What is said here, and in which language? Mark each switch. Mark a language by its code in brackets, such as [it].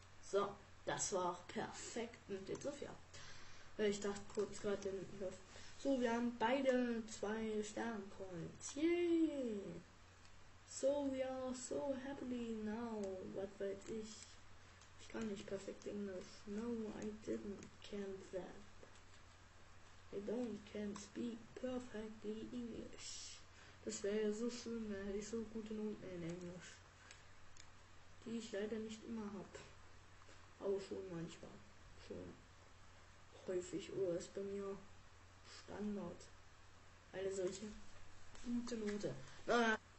[de] So, das war auch perfekt mit dem Sofia. Ich dachte kurz gerade den Hörf. So, wir haben beide 2 Sternpoints. Yay! [en] So, we are so happily now. [de] Was weiß ich? Ich kann nicht perfekt Englisch. [en] No, I didn't can that. I don't can speak perfectly English. [de] Das wäre ja so schön, wenn ich so gute Noten in Englisch. Die ich leider nicht immer habe. Aber schon manchmal. Schon häufig. Oder ist bei mir Standard. Eine solche gute Note. Naja.